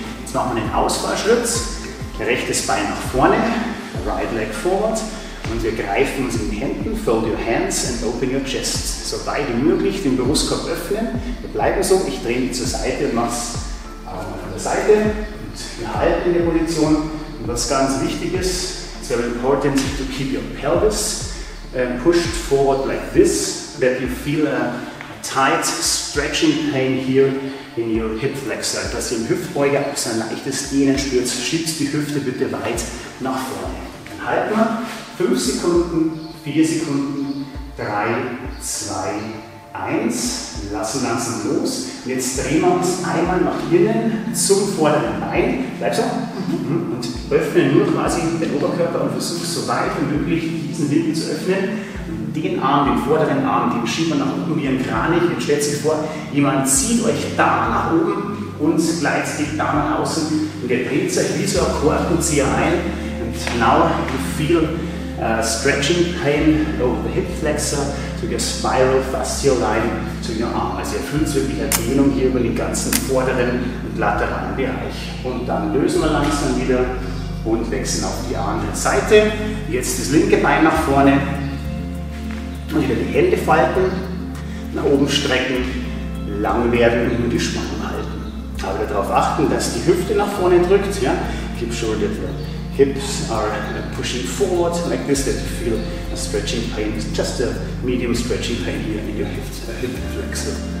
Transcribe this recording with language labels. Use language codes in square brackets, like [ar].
[de] Jetzt machen wir einen Ausfallschritt. Rechtes Bein nach vorne, [en] right leg forward. [de] Und wir greifen uns in die Hände, [en] fold your hands and open your chest. [de] So weit wie möglich den Brustkorb öffnen. Wir bleiben so, ich drehe mich zur Seite und mache es von der Seite. Und wir halten in der Position. Und was ganz wichtig ist, [en] it's very important to keep your pelvis pushed forward like this, that you feel a tight stretching pain here in your hip flexor. [de] Dass ihr im Hüftbeuger auch so ein leichtes Dehnen spürt, schiebt die Hüfte bitte weit nach vorne. Dann halten wir. 5 Sekunden, 4 Sekunden, 3, 2, 1. Lassen langsam los. Und jetzt drehen wir uns einmal nach innen zum vorderen Bein. Bleib so. Und öffnen nur quasi den Oberkörper und versuch so weit wie möglich diesen Winkel zu öffnen. Den Arm, den vorderen Arm, den schiebt man nach unten wie ein Kranich. Jetzt stellt sich vor, jemand zieht euch da nach oben und gleitet die da nach außen. Und ihr dreht euch wie so ein Korkenzieher ein. [en] And now you feel stretching pain over the hip flexor to your spiral fascial line to your arm. [de] Also ihr fühlt wirklich eine Dehnung hier über den ganzen vorderen und lateralen Bereich. Und dann lösen wir langsam wieder und wechseln auf die andere Seite. Jetzt das linke Bein nach vorne und wieder die Hände falten, nach oben strecken, lang werden und die Spannung halten. Aber darauf achten, dass die Hüfte nach vorne drückt. Ja? [en] Keep sure that the hips are pushing forward like this, that you feel a stretching pain. It's just a medium stretching pain here in your hip flexor.